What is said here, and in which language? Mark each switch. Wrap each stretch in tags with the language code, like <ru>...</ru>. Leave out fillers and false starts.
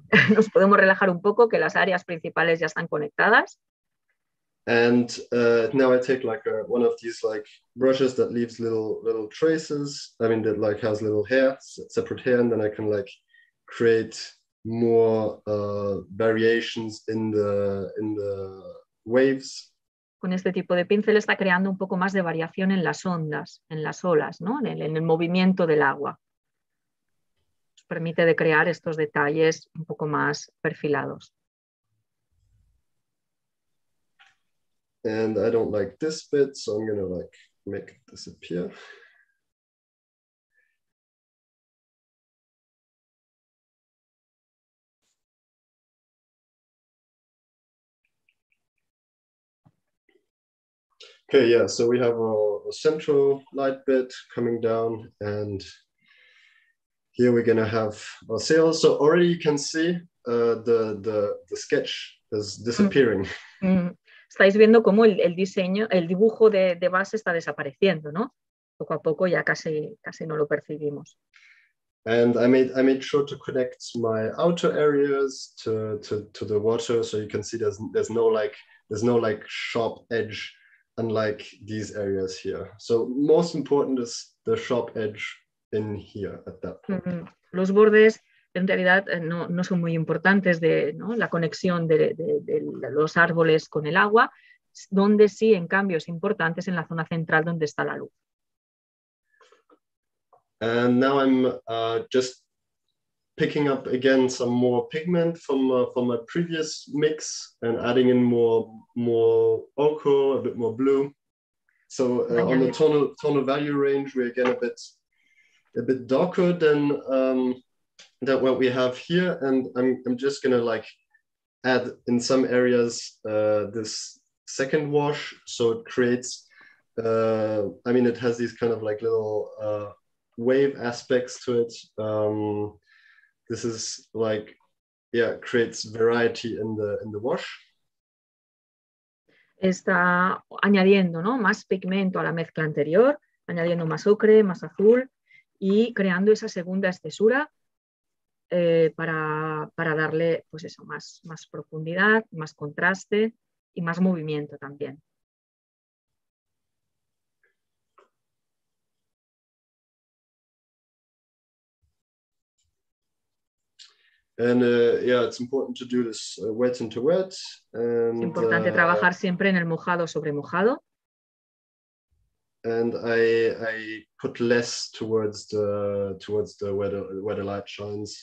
<es>Nos podemos relajar un poco, que las áreas principales ya están conectadas.</es> <en>And now I take like one of these like brushes that leaves little traces. I mean, that like has little hair, separate hair, and then I can like create more variations in the waves.</en> <es>Con este tipo de pincel está creando un poco más de variación en las ondas, en las olas, ¿no? En el movimiento del agua. Nos permite de crear estos detalles un poco más perfilados.</es> <en>And I don't like this bit, so I'm gonna like make it disappear. Okay, yeah, so we have a central light bit coming down, and here we're gonna have our sails. So already you can see the sketch is disappearing.</en> <es>Estáis viendo cómo el diseño, el dibujo de base está desapareciendo, ¿no? Poco a poco ya casi no lo percibimos.</es> <en>And I made sure to connect my outer areas to the water, so you can see there's no sharp edge, unlike these areas here. So most important is the sharp edge in here at that point. Mm-hmm.</en> <es>Los bordes en realidad no son muy importantes, de ¿no? La conexión de los árboles con el agua, donde sí, en cambio, es importante es en la zona central donde está la luz.</es> <en>And now I'm just picking up again some more pigment from a previous mix and adding in more ochre, a bit more blue. So on the tonal value range, we're again a bit darker than that what we have here, and I'm just gonna like add in some areas this second wash, so it creates it has these kind of like little wave aspects to it. This is like, yeah, creates variety in the wash.</en> <es>Está añadiendo, ¿no? Más pigmento a la mezcla anterior, añadiendo más ocre, más azul, y creando esa segunda espesura. Para darle pues eso, más profundidad, más contraste y más movimiento también.</es> <en>And yeah, it's important to do this wet into wet. And,</en> <es>es importante trabajar siempre en el mojado sobre mojado.</es> <en>And I put less towards the where the light shines.</en>